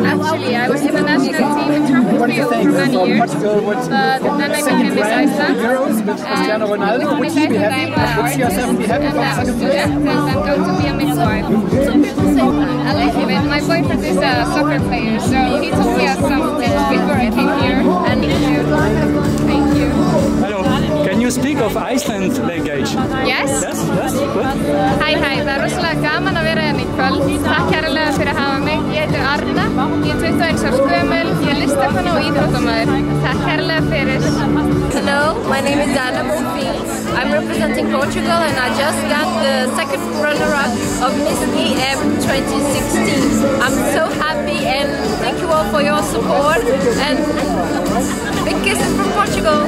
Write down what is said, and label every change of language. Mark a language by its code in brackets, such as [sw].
[en] Actually, I was in the national team in track and field for many years, but then I became Miss Iceland, and with the fact that I'm a artist and a student, I'm going to be a Miss World. I like it, and my boyfriend is a soccer player, so he told me something before I came here, and thank you. Can you speak of Iceland language? Yes. Yes. What? Hi, hi. [is] Það rosalega gaman að vera hérna í kvöld. Takk kærlega fyrir að hafa mig. Ég heiti Arna. Ég 21 árs gömul. Ég listakona og íþróttamaður. Takk kærlega fyrir. [en] Hello, my name is Anna Mofi. I'm representing Portugal and I just got the second runner-up of Miss EM 2016. I'm so happy and thank you all for your support and big kisses from Portugal.